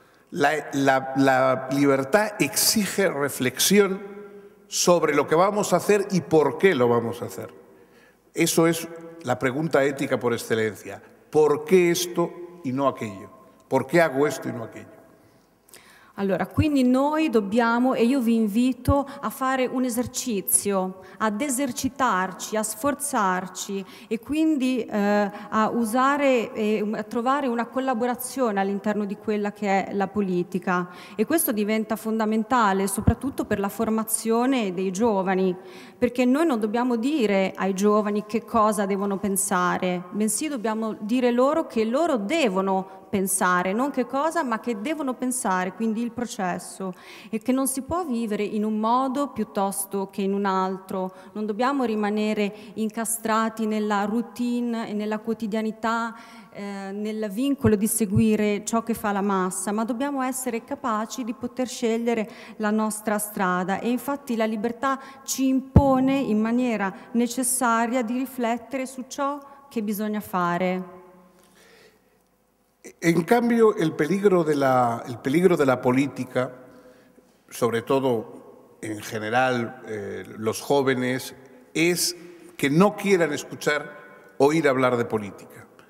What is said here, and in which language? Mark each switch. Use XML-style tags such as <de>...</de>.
<es>La libertad exige reflexión sobre lo que vamos a hacer y por qué lo vamos a hacer. Eso es la pregunta ética por excelencia. ¿Por qué esto y no aquello? ¿Por qué hago esto y no aquello?</es> <it>Allora, quindi noi dobbiamo, e io vi invito a fare un esercizio, ad esercitarci, a sforzarci e quindi a usare, a trovare una collaborazione all'interno di quella che è la politica. E questo diventa fondamentale soprattutto per la formazione dei giovani, perché noi non dobbiamo dire ai giovani che cosa devono pensare, bensì dobbiamo dire loro che loro devono pensare, non che cosa, ma che devono pensare, quindi il processo, e che non si può vivere in un modo piuttosto che in un altro. Non dobbiamo rimanere incastrati nella routine e nella quotidianità, nel vincolo di seguire ciò che fa la massa, ma dobbiamo essere capaci di poter scegliere la nostra strada. E infatti la libertà ci impone in maniera necessaria di riflettere su ciò che bisogna fare.</it> <es>En cambio, el peligro de la política, sobre todo en general los jóvenes, es que no quieran escuchar oír hablar de política.</es>